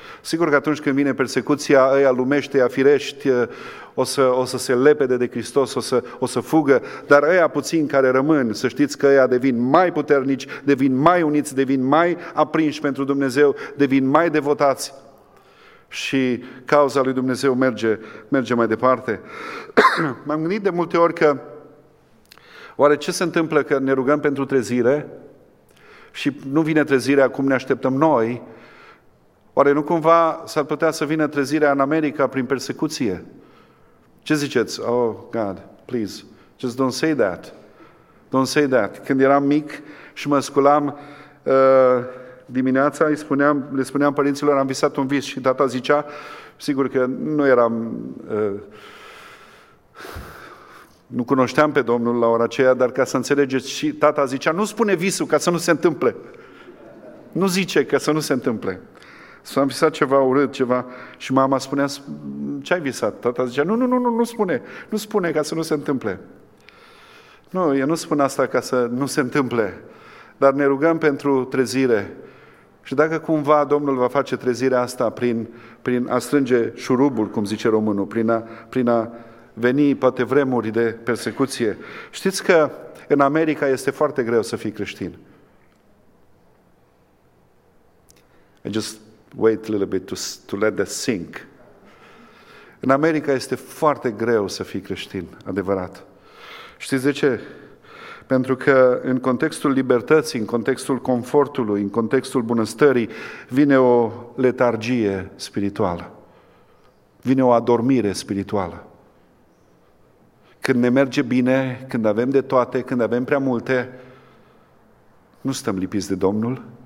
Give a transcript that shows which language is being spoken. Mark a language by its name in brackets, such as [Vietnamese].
[Romanian] Sigur că atunci când vine persecuția, ăia lumește, ăia firești, o să se lepede de Hristos, o să fugă, dar ăia puțini care rămân, să știți că ăia devin mai puternici, devin mai uniți, devin mai aprinși pentru Dumnezeu, devin mai devotați și cauza lui Dumnezeu merge mai departe. M-am gândit de multe ori că oare ce se întâmplă că ne rugăm pentru trezire și nu vine trezirea cum ne așteptăm noi? Oare nu cumva s-ar putea să vină trezirea în America prin persecuție? Ce ziceți? [English] Oh, God, please, just don't say that. Don't say that. [Romanian] Când eram mic și mă sculam dimineața, le spuneam părinților, am visat un vis, și tata zicea, sigur că nu eram, nu cunoșteam pe Domnul la ora aceea, dar ca să înțelegeți, și tata zicea, nu spune visul ca să nu se întâmple. Nu zice ca să nu se întâmple. S-a visat ceva urât, ceva, și mama spunea, ce ai visat? Tata zicea, nu spune ca să nu se întâmple. Nu, eu nu spun asta ca să nu se întâmple, dar ne rugăm pentru trezire. Și dacă cumva Domnul va face trezirea asta prin a strânge șurubul, cum zice românul, prin a veni poate vremuri de persecuție. Știți că în America este foarte greu să fii creștin. [English] I just wait a little bit to let that sink. [Romanian] În America este foarte greu să fii creștin, adevărat. Știți de ce? Pentru că în contextul libertății, în contextul confortului, în contextul bunăstării, vine o letargie spirituală. Vine o adormire spirituală. Când ne merge bine, când avem de toate, când avem prea multe, nu stăm lipiți de Domnul.